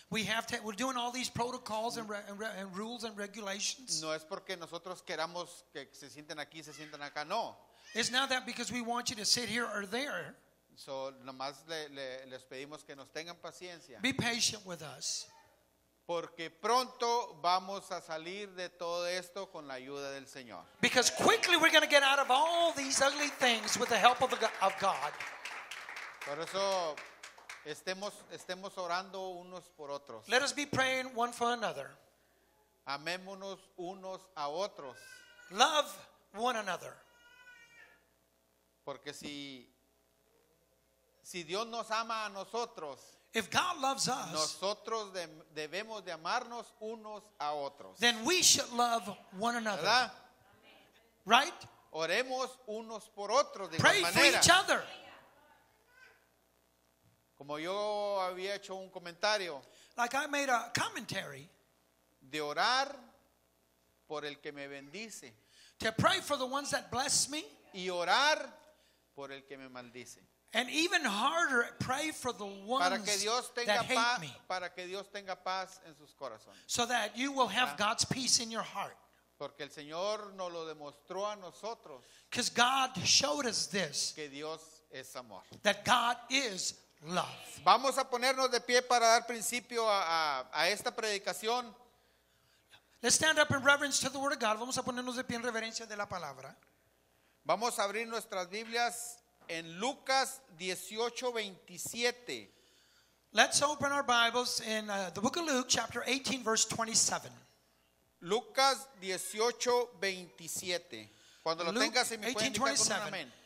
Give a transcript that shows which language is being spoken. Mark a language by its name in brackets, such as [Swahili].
[English] We're doing all these protocols and rules and regulations. [Spanish] No es porque nosotros queramos que se sienten aquí, se sientan acá, no. [English] It's not that because we want you to sit here or there. [Spanish] So, nomás les pedimos que nos tengan paciencia. [English] Be patient with us. [Spanish] Porque pronto vamos a salir de todo esto con la ayuda del Señor. [English] Because quickly we're going to get out of all these ugly things with the help of God. [Spanish] Por eso estemos orando unos por otros. [English] Let us be praying one for another. [Spanish] Amémonos unos a otros. [English] Love one another. [Spanish] Porque si Dios nos ama a nosotros, [English] if God loves us, [Spanish] nosotros debemos de amarnos unos a otros. [English] Then we should love one another. [Spanish] ¿Verdad? [English] Right? [Spanish] Oremos unos por otros de [English] pray [Spanish] igual manera. [English] For each other. [Spanish] Como yo había hecho un comentario. [English] Like I made a commentary. [Spanish] De orar por el que me bendice. [English] To pray for the ones that bless me. [Spanish] Y orar por el que me maldice. [English] And even harder, pray for the ones [Spanish] para que Dios tenga [English] that hate [Spanish] paz, [English] me. [Spanish] Para que Dios tenga paz en sus corazones. [English] So that you will have God's peace in your heart. [Spanish] Porque el Señor nos lo demostró a nosotros. [English] Because God showed us this. [Spanish] Que Dios es amor. [English] That God is love. [Spanish] Vamos a ponernos de pie para dar principio a esta predicación. [English] Let's stand up in reverence to the word of God. [Spanish] Vamos a ponernos de pie en reverencia de la palabra. Vamos a abrir nuestras Biblias. En Lucas 18:27. [English] Let's open our Bibles in the book of Luke, chapter 18, verse 27. [Spanish] Lucas 18:27. Cuando lo tengas, si me puedes indicar con un amén.